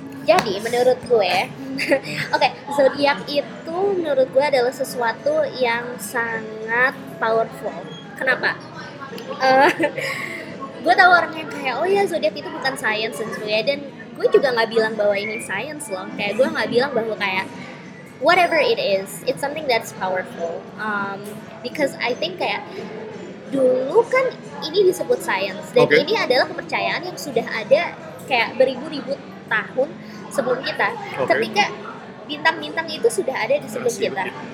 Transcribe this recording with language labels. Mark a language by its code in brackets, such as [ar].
[id] Jadi menurut gue, oke, zodiak itu menurut gue adalah sesuatu yang sangat powerful. Kenapa? Gue tahu orang yang kayak, oh ya zodiak itu bukan science dan sebagainya. Dan gue juga nggak bilang bahwa ini science loh. Kayak gue nggak bilang bahwa kayak [en] whatever it is, it's something that's powerful. Because I think [id] kayak dulu kan ini disebut science dan okay. Ini adalah kepercayaan yang sudah ada kayak beribu-ribu tahun sebelum kita. Okay. Ketika bintang-bintang itu sudah ada di sebelum kita.